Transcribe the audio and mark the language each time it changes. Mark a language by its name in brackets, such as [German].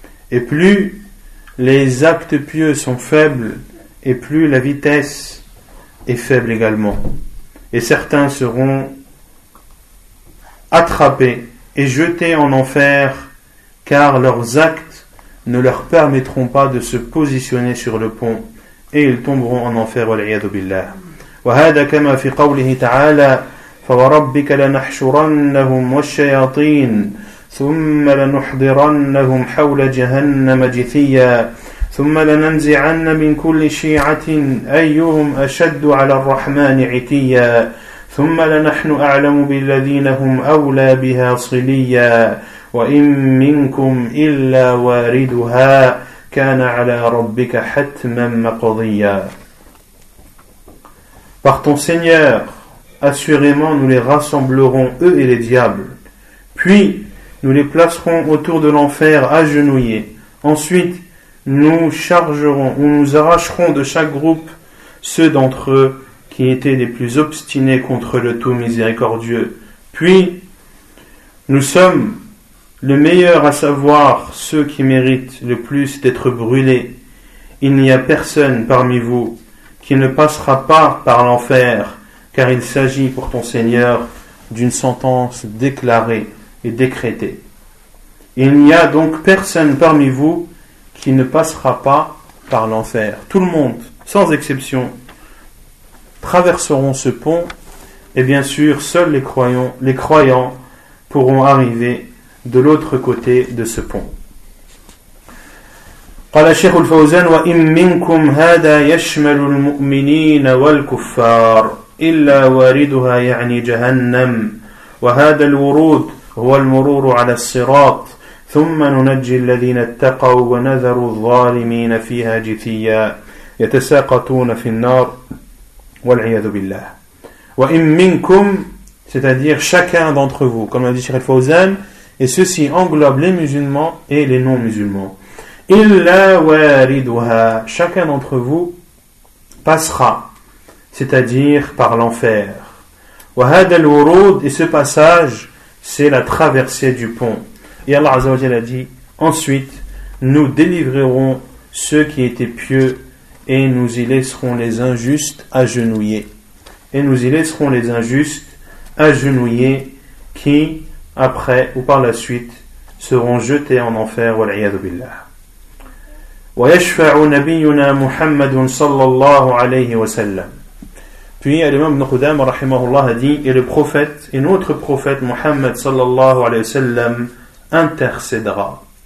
[French] Et plus les actes pieux sont faibles, et plus la vitesse est faible également. Et certains seront attrapés et jetés en enfer, car leurs actes ne leur permettront pas de se positionner sur le pont, et ils tomberont en enfer, [Arabic] wal'iyadu billah. وهذا كما في قوله تعالى فوربك لنحشرنهم والشياطين ثم لنحضرنهم حول جهنم جثيا ثم لننزعن من كل شيعة أيهم أشد على الرحمن عتيا ثم لنحن أعلم بالذين هم أولى بها صليا وإن منكم إلا واردها كان على ربك حتما مقضيا. [French] Par ton Seigneur, assurément nous les rassemblerons, eux et les diables. Puis nous les placerons autour de l'enfer agenouillés. Ensuite nous chargerons ou nous arracherons de chaque groupe ceux d'entre eux qui étaient les plus obstinés contre le tout miséricordieux. Puis nous sommes le meilleur, à savoir ceux qui méritent le plus d'être brûlés. Il n'y a personne parmi vous qui ne passera pas par l'enfer, car il s'agit pour ton Seigneur d'une sentence déclarée et décrétée. Il n'y a donc personne parmi vous qui ne passera pas par l'enfer. Tout le monde, sans exception, traverseront ce pont, et bien sûr, seuls les croyants pourront arriver de l'autre côté de ce pont. [Arabic] قال الشيخ الفوزان وإن منكم هذا يشمل المؤمنين والكفار إلا واردها يعني جهنم وهذا الورود هو المرور على الصراط ثم ننجي الذين اتقوا ونذر الظالمين فيها جثيا يتساقطون في النار والعياذ بالله. وإن منكم, [French] c'est-à-dire chacun d'entre vous, comme a dit Cheikh Al-Fawzan, et ceci englobe les musulmans et les non-musulmans. [Arabic] Illa waridha, [French] chacun d'entre vous passera, c'est-à-dire par l'enfer. [Arabic] Wa hada al-wurud, [French] et ce passage, c'est la traversée du pont. Et Allah Azza wa Jalla dit, ensuite, nous délivrerons ceux qui étaient pieux, et nous y laisserons les injustes agenouillés. Et nous y laisserons les injustes agenouillés, qui, après ou par la suite, seront jetés en enfer, [Arabic] wal'iyadu billah. ويشفع نبينا محمد صلى الله عليه وسلم. [French] Puis l'imam ibn Qudama [Arabic] رحمه الله [French] dit, et le prophète, et notre prophète Muhammad [Arabic] صلى الله عليه وسلم [French] intercédera.